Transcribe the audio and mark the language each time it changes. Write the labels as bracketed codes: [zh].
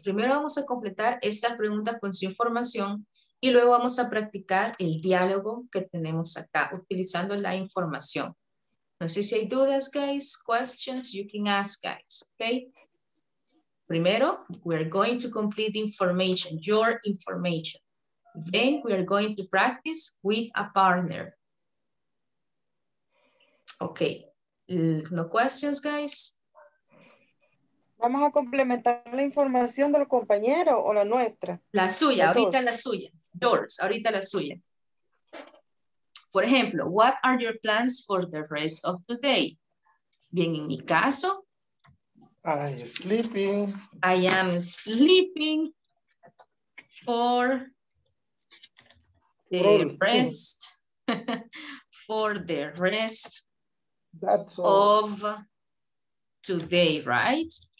[es] Primero vamos a completar esta pregunta con su información y luego vamos a practicar el diálogo que tenemos acá utilizando la información. No sé si hay dudas, [en] guys. Questions you can ask, guys. Okay. [es] Primero, [en] we are going to complete information, your information. Then we are going to practice with a partner. Okay, no questions, guys? [es] Vamos a complementar la información del compañero o la nuestra. La suya, ahorita la suya. [en] Yours, [es] ahorita la suya. Por ejemplo, [en] what are your plans for the rest of the day? [es] Bien, en mi caso, [en] I am sleeping for the rest, for the rest of today, right?